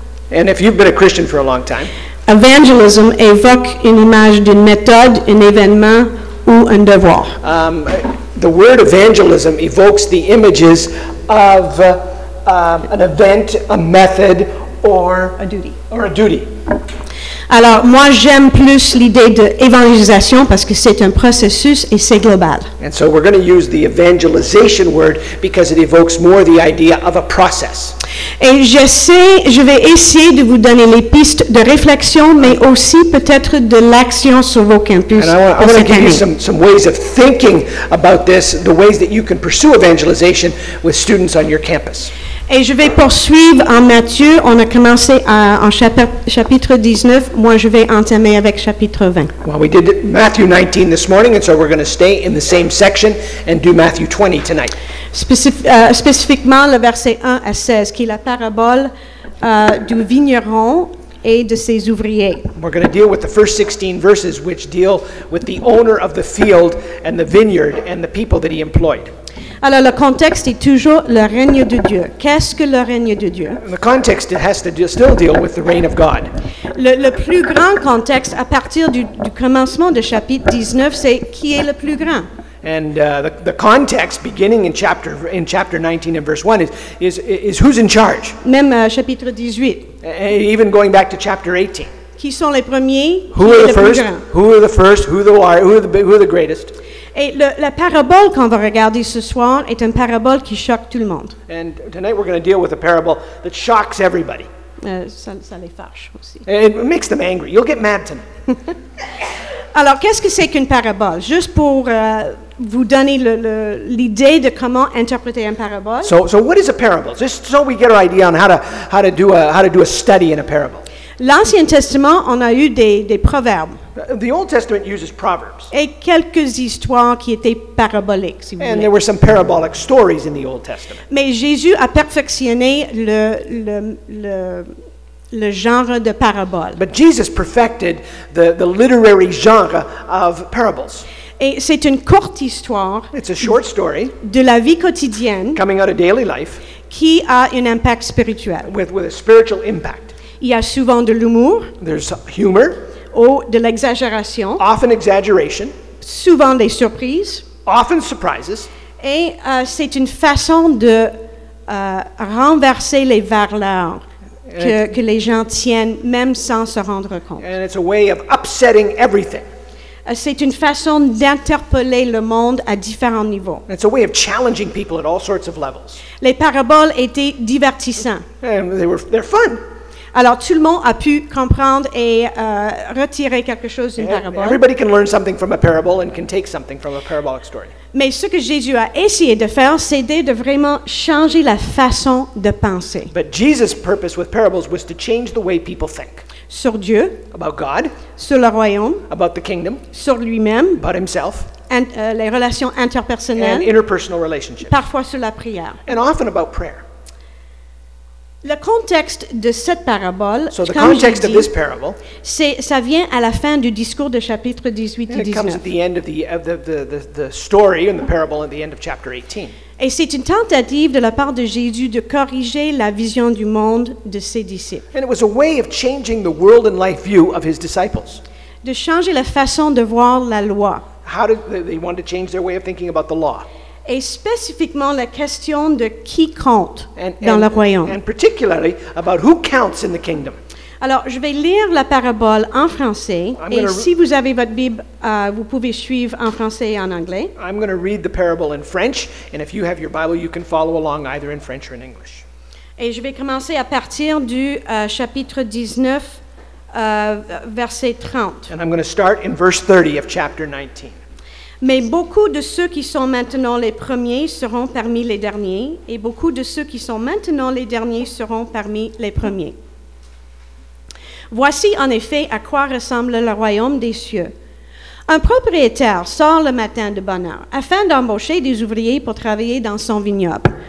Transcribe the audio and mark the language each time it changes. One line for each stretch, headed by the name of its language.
English: and if you've been a Christian for a long time,
French: evangelism évoque une image d'une méthode, un événement ou un devoir.
English: The word evangelism evokes the images of an event, a method, or a duty. Or a duty.
French: Alors, moi, j'aime plus l'idée d'évangélisation parce que c'est un processus et c'est global.
English: And so we're going to use the evangelization word because it evokes more the idea of a process.
French: Et je vais essayer de vous donner les pistes de réflexion, mais aussi peut-être de l'action sur vos campus.
English: And I want to give you some ways of thinking about this, the ways that you can pursue evangelization with students on your campus.
French: Et je vais poursuivre en Matthieu. On a commencé en chapitre 19. Moi, je vais entamer avec chapitre 20.
English: Well, we did Matthew 19 this morning, and so we're going to stay in the same section and do Matthew 20 tonight.
French: Spécifiquement, le verset 1 à 16, qui est la parabole du vigneron et de ses ouvriers.
English: We're going to deal with the first 16 verses, which deal with the owner of the field and the vineyard and the people that he employed.
French: Alors, le contexte est toujours le règne de Dieu. Qu'est-ce que le règne de Dieu?
English: The context has to still deal with the reign of God.
French: Le plus grand contexte, à partir du commencement de chapitre 19, c'est qui est le plus grand?
English: And the context, beginning in chapter 19 and verse 1, is who's in charge?
French: Même chapitre 18.
English: Even going back to chapter 18.
French: Qui sont les premiers?
English: Who
French: qui
English: are the
French: le
English: first? Who are the first? Who are the greatest?
French: Et la parabole qu'on va regarder ce soir est une parabole qui choque tout le monde.
English: And tonight we're going to deal with a parable that shocks everybody.
French: Ça les fâche aussi.
English: It makes them angry. You'll get mad tonight.
French: Alors, qu'est-ce que c'est qu'une parabole? Juste pour vous donner l'idée de comment interpréter une parabole.
English: So what is a parable? Just so we get our idea on how to do a study in a parable.
French: L'Ancien Testament, on a eu des proverbes.
English: The Old Testament uses proverbs.
French: Et quelques histoires qui étaient paraboliques, si vous voulez.
English: And there were some parabolic stories in the Old Testament.
French: Mais Jésus a perfectionné le genre de parabole.
English: But Jesus perfected the literary genre of parables.
French: Et c'est une courte histoire.
English: It's a short story.
French: De la vie quotidienne.
English: Coming out of daily life.
French: Qui a un impact spirituel.
English: With a spiritual impact.
French: Il y a souvent de l'humour.
English: There's humor.
French: Ou de l'exagération.
English: Often exaggeration.
French: Souvent des surprises.
English: Often surprises.
French: Et c'est une façon de renverser les valeurs que les gens tiennent, même sans se rendre compte.
English: And it's a way of upsetting everything.
French: C'est une façon d'interpeller le monde à différents niveaux.
English: It's a way of challenging people at all sorts of levels.
French: Les paraboles étaient divertissantes.
English: And they're fun.
French: Alors, tout le monde a pu comprendre et retirer quelque chose d'une parabole.
English: Everybody can learn something from a parable and can take something from a parabolic story.
French: Mais ce que Jésus a essayé de faire, c'était de vraiment changer la façon de penser.
English: But Jesus' purpose with parables was to change the way people think.
French: Sur Dieu.
English: About God.
French: Sur le royaume.
English: About the kingdom.
French: Sur lui-même.
English: About himself. And
French: les relations interpersonnelles.
English: And interpersonal relationships.
French: Parfois sur la prière.
English: And often about prayer.
French: Le contexte de cette parabole,
English: so the context of this parable,
French: ça vient à la fin du discours de chapitre 18 et 19.
English: It comes at the end of the story and the parable at the end of chapter 18.
French: Et c'est une tentative de la part de Jésus de corriger la vision du monde de ses disciples.
English: And it was a way of changing the world and life view of his disciples.
French: De changer la façon de voir la loi.
English: How did they want to change their way of thinking about the law?
French: Et spécifiquement la question de qui compte dans le royaume.
English: And particularly about who counts in the kingdom.
French: Alors, je vais lire la parabole en français. Si vous avez votre Bible, vous pouvez suivre en français et en anglais.
English: I'm going to read the parable in French. And if you have your Bible, you can follow along either in French or in English.
French: Et je vais commencer à partir du chapitre 19, verset 30.
English: And I'm going to start in verse 30 of chapter 19.
French: Mais beaucoup de ceux qui sont maintenant les premiers seront parmi les derniers, et beaucoup de ceux qui sont maintenant les derniers seront parmi les premiers. Voici en effet à quoi ressemble le royaume des cieux. Un propriétaire sort le matin de bonne heure afin d'embaucher des ouvriers pour travailler dans son vignoble.